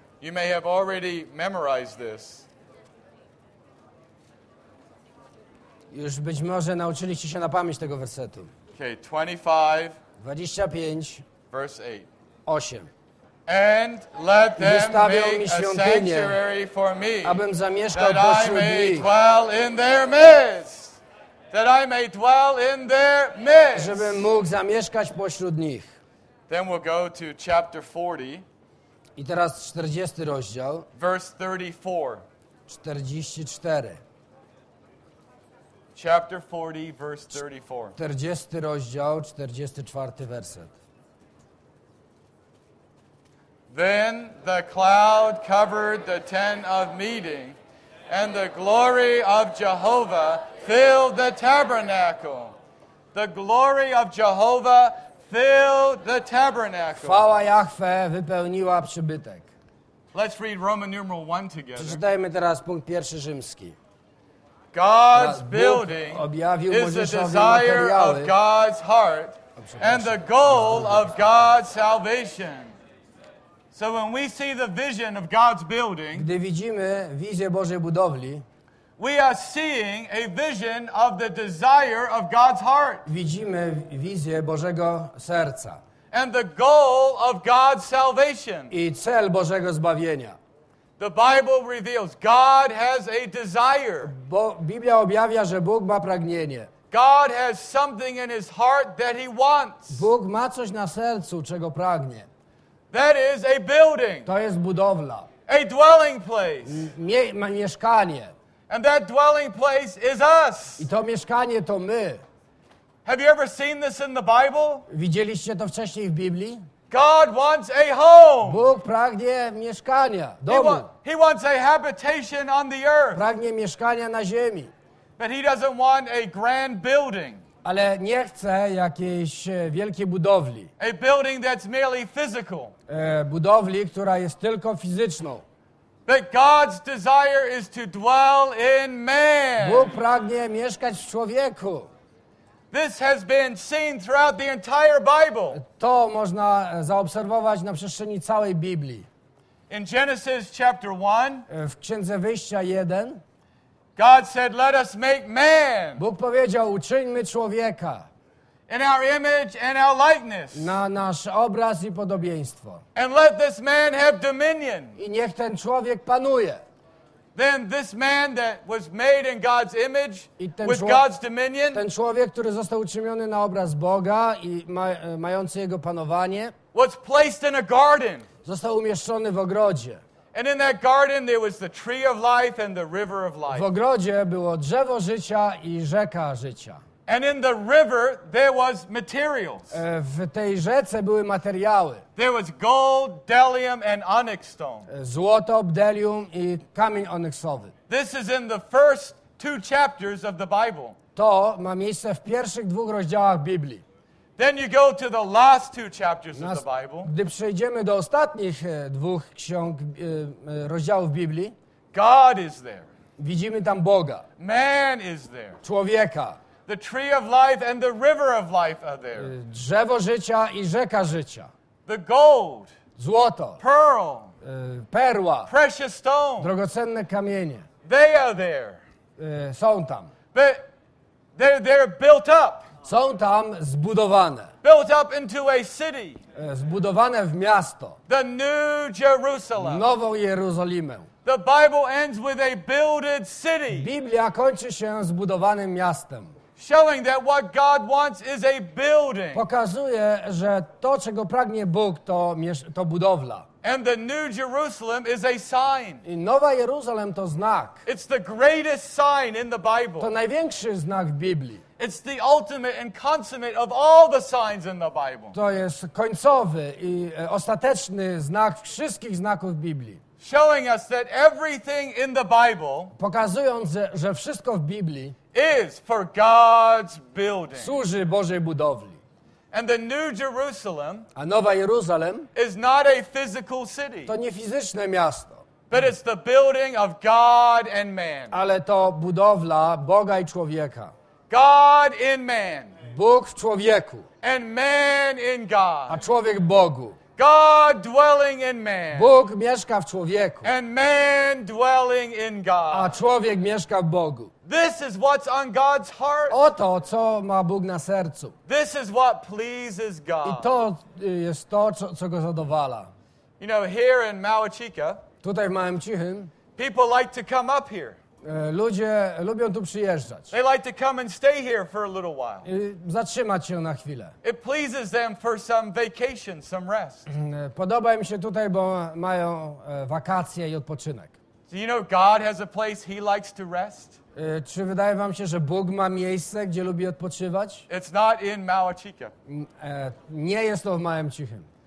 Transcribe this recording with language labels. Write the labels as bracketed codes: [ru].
[en] You may have already memorized this. [pl] Już być może nauczyliście się na pamięć tego wersetu. [en] Okay, 25, verse 8. And let them make a sanctuary for me, [pl] abym zamieszkał pośród nich. [en] That I may dwell in their midst. That I may dwell in their midst. [pl] Żebym mógł zamieszkać pośród nich. [en] Then we'll go to chapter 40. [pl] I teraz 40 rozdział. [en] Verse 34. 44. Chapter 40, verse 34. [pl] 40 rozdział, 44 werset. [en] Then the cloud covered the tent of meeting, and the glory of Jehovah filled the tabernacle. The glory of Jehovah filled the tabernacle. [pl] Chwała Jahwe wypełniła przybytek. [en] Let's read Roman numeral 1 together. [pl] Przeczytajmy teraz punkt pierwszy rzymski. [en] God's building is the desire of God's heart and the goal of God's salvation. So when we see the vision of God's building, [pl] gdy widzimy wizję Bożej budowli, [en] we are seeing a vision of the desire of God's heart. [pl] Widzimy wizję Bożego serca. [en] And the goal of God's salvation. [pl] I cel Bożego zbawienia. [en] The Bible reveals God has a desire. [pl] Bo Biblia objawia, że Bóg ma pragnienie. [en] God has something in his heart that he wants. [pl] Bóg ma coś na sercu, czego pragnie. [en] That is a building. [pl] To jest budowla. [en] A dwelling place. [pl] Mieszkanie. [en] And that dwelling place is us. [pl] I to mieszkanie to my. [en] Have you ever seen this in the Bible? [pl] Widzieliście to wcześniej w Biblii? [en] God wants a home. [pl] Bóg pragnie mieszkania, domu. [en] He wants a habitation on the earth. [pl] Pragnie mieszkania na ziemi. [en] But he doesn't want a grand building. [pl] Ale nie chce jakiejś wielkiej budowli. [en] A building that's merely physical. [pl] Budowli, która jest tylko fizyczną. [en] But God's desire is to dwell in man. [pl] Bóg pragnie mieszkać w człowieku. [en] This has been seen throughout the entire Bible. [pl] To można zaobserwować na przestrzeni całej Biblii. [en] In Genesis chapter 1, [pl] w Księdze Wyjścia 1, [en] God said, "Let us make man." [pl] Bóg powiedział, uczyńmy człowieka. [en] In our image and our likeness. [pl] Na nasz obraz i podobieństwo. [en] And let this man have dominion. [pl] I niech ten człowiek panuje. [en] Then this man that was made in God's image with God's dominion. [pl] Ten człowiek, który został uczyniony na obraz Boga i mający jego panowanie. [en] Was placed in a garden. [pl] Został umieszczony w ogrodzie. [en] And in that garden there was the tree of life and the river of life. [pl] W ogrodzie było drzewo życia i rzeka życia. [en] And in the river there was materials. [pl] W tej rzece były materiały. [en] There was gold, bdellium and onyx stone. [pl] Złoto, bdellium i kamień onyksowy. [en] This is in the first two chapters of the Bible. [pl] To ma miejsce w pierwszych dwóch rozdziałach Biblii. [en] Then you go to the last two chapters of the Bible. [pl] Gdy przejdziemy do ostatnich dwóch ksiąg rozdziałów Biblii. [en] God is there. [pl] Widzimy tam Boga. [en] Man is there. [pl] Człowieka. [en] The tree of life and the river of life are there. [pl] Drzewo życia i rzeka życia. [en] The gold. [pl] Złoto. [en] Pearl. [pl] Perła. [en] Precious stone. [pl] Drogocenne kamienie. [en] They are there. [pl] Są tam. [en] But they're built up. [pl] Są tam zbudowane. [en] Built up into a city. [pl] Zbudowane w miasto. [en] The new Jerusalem. [pl] Nową Jerozolimę. [en] The Bible ends with a builded city. [pl] Biblia kończy się zbudowanym miastem. [en] Showing that what God wants is a building. [pl] Pokazuje, że to, czego pragnie Bóg, to budowla. [en] And the New Jerusalem is a sign. [pl] I Nowa Jeruzalem to znak. [en] It's the greatest sign in the Bible. [pl] To największy znak w Biblii. [en] It's the ultimate and consummate of all the signs in the Bible. [pl] To jest końcowy i ostateczny znak wszystkich znaków Biblii. [en] Showing us that everything in the Bible, [pl] pokazując, że wszystko w Biblii, [en] is for God's building. [pl] Służy Bożej budowli. [en] And the New Jerusalem, [pl] a Nowa Jeruzalem, [en] is not a physical city. [pl] To nie fizyczne miasto. [en] But it's the building of God and man. [pl] Ale to budowla Boga i człowieka. [en] God in man. [pl] Bóg w człowieku. [en] And man in God. [pl] A człowiek Bogu. [en] God dwelling in man. [pl] Bóg mieszka w człowieku. [en] And man dwelling in God. [pl] A człowiek mieszka w Bogu. [en] This is what's on God's heart. [pl] Oto co ma Bóg na sercu. [en] This is what pleases God. [pl] I to jest to, co go zadowala. [en] You know, here in Małaczyka. [pl] Tutaj w Małaczychym. [en] People like to come up here. [pl] Ludzie lubią tu przyjeżdżać. [en] They like to come and stay here for a little while. [pl] Zatrzymać się na chwilę. [en] It pleases them for some vacation, some rest. [pl] Podoba im się tutaj, bo mają wakacje i odpoczynek. [en] Do you know God has a place he likes to rest? [pl] Czy wydaje wam się, że Bóg ma miejsce, gdzie lubi odpoczywać? [en] It's not in Małaczyka. [pl] Nie jest to w Małaczychym.